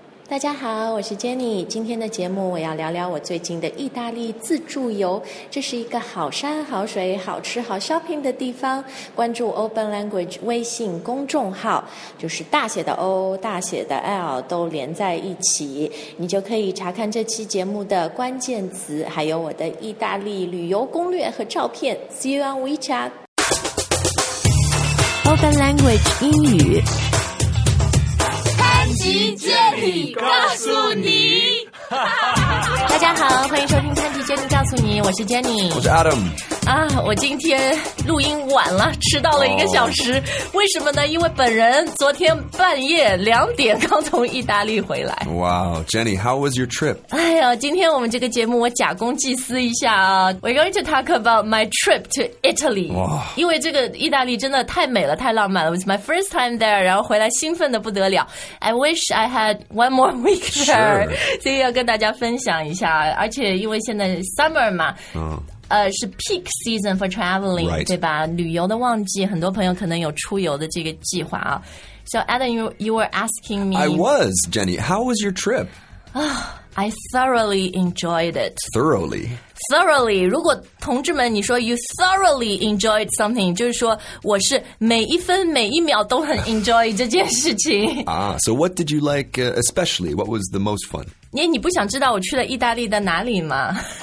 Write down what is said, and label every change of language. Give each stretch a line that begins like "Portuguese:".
Chinese: 大家好，我是 Jenny。今天的节目我要聊聊我最近的意大利自助游，这是一个好山好水好吃好 shopping 的地方。关注 Open Language 微信公众号，就是大写的 O 大写的 L 都连在一起，你就可以查看这期节目的关键词，还有我的意大利旅游攻略和照片。
English: See you on WeChat。
Chinese: Open Language 英语 Jenny 告诉你。大家好，欢迎收听潘吉 Jenny 告诉你，我是 Jenny。我是 Adam。啊，我今天录音晚了，迟到了一个小时、oh. 为什么呢？因为本人昨天半夜两点刚从意大利回来。
English: Wow, Jenny, how was your trip?
Chinese: 哎呀，今天我们这个节目我假公济私一下啊。
English: We're going to talk about my trip to Italy、 wow.
Chinese: 因为这个意大利真的太美了，太浪漫了。
English: It was my first time there,
Chinese: 然后回来兴奋的不得了。
English: I wish I had one more week there、 sure.
Chinese: 所以要跟大家分享一下，而且因为现在 summer 嘛、
English: oh. 是 peak season for traveling、 right.
Chinese: 对吧，旅游的旺季，很多朋友可能有出游的这个计划啊。
English: So Adam, you were asking me. I was, Jenny. How was your trip?、 I thoroughly enjoyed it. Thoroughly? Thoroughly.
Chinese: 如果同志们你说
English: you thoroughly enjoyed something,
Chinese: 就是说我是每一分每一秒都很 enjoy 这件事情。
English: Ah, so what did you like、especially? What was the most fun?
Chinese: 你不想知道我去了意大利的哪里吗、